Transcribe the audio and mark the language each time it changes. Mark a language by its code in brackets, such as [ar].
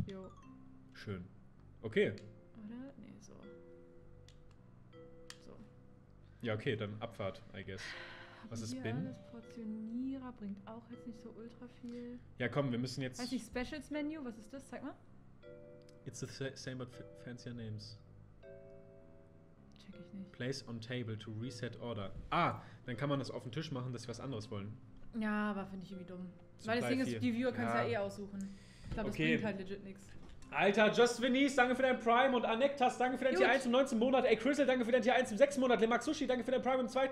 [de] Jo. Schön. Okay. Oder? Nee, so. So. Ja, okay, dann Abfahrt, I guess. Was ist Bin? Das Portionierer bringt auch jetzt nicht so ultra viel. Ja, komm, wir müssen jetzt... Weiß nicht, Specials Menu, was ist das? Zeig mal. [en] It's the same but fancier names. [de] Check ich nicht. [en] Place on table to reset order. [de] Ah, dann kann man das auf den Tisch machen, dass sie was anderes wollen. Ja, aber finde ich irgendwie dumm. Zu weil das Ding ist, die Viewer kannst du ja eh aussuchen. Ich glaube, das bringt halt legit nichts. Alter, Just Venice, danke für dein Prime. Und Anektas, danke für dein Tier 1 im 19. Monat. Ey, Crystal, danke für dein Tier 1 im 6. Monat. Limax Sushi, danke für dein Prime im 2.